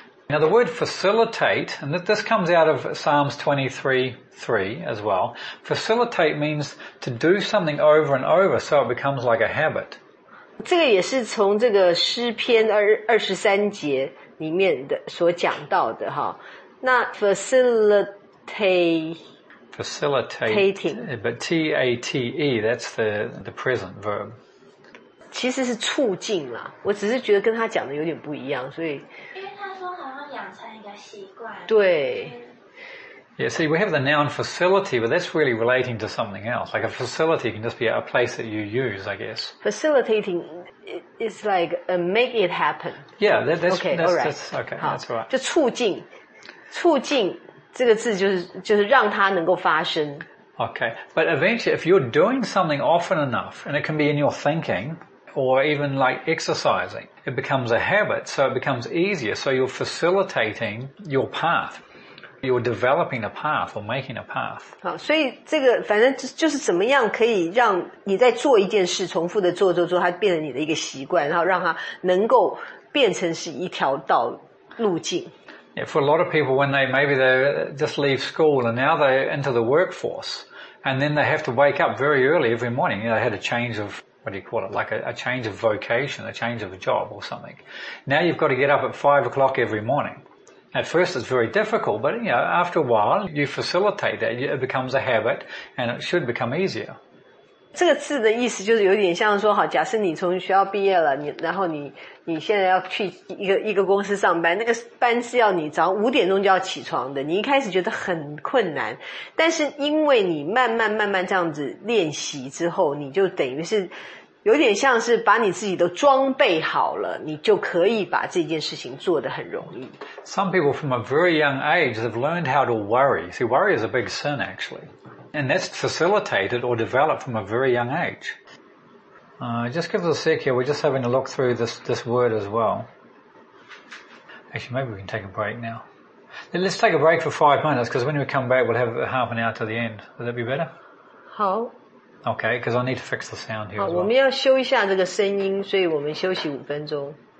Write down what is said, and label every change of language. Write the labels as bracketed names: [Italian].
[English] Now the word facilitate, and this comes out of Psalms 23:3 as well. Facilitate means to do something over and over so it becomes like a habit. [Chinese] 这个也是从这个诗篇23节里面的所讲到的哈。那 facilitating, [English] but T-A-T-E, that's the present verb. [Chinese] 其实是促进啦，我只是觉得跟他讲的有点不一样，所以因为他说好像养成一个习惯，对。 [English] Yeah, see, we have the noun facility, but that's really relating to something else. Like a facility can just be a place that you use, I guess. Facilitating is like make it happen. Yeah, that's right. [Chinese] 就促进这个字就是让它能够发生。 [English] Okay, but eventually, if you're doing something often enough, and it can be in your thinking. Or even like exercising, it becomes a habit, so it becomes easier. So you're facilitating your path, you're developing a path or making a path. [Chinese] 好，所以这个反正就是怎么样可以让你在做一件事重复的做，它变成你的一个习惯，然后让它能够变成是一条道路径。 [English] Yeah, for a lot of people, when they maybe they just leave school and now they enter the workforce, and then they have to wake up very early every morning. You know, they had a change of. What do you call it? Like a change of vocation, a change of a job or something. Now you've got to get up at 5 o'clock every morning. At first it's very difficult, but you know, after a while you facilitate that. It becomes a habit and it should become easier. [Chinese] 这个字的意思就是有点像说好，假设你从学校毕业了，然后你现在要去一个公司上班，那个班是要你早5点钟就要起床的，你一开始觉得很困难，但是因为你慢慢这样子练习之后，你就等于是有点像是把你自己都装备好了，你就可以把这件事情做得很容易。 [English] Some people from a very young age have learned how to worry. See, worry is a big sin actually. And that's facilitated or developed from a very young age. Just give us a sec here. We're just having a look through this word as well. Actually, maybe we can take a break now. Let's take a break for 5 minutes, because when we come back, we'll have half an hour to the end. Would that be better? [Chinese] 好。 [English] Okay, because I need to fix the sound here as well. [Chinese] 好，我们要修一下这个声音，所以我们休息5分钟。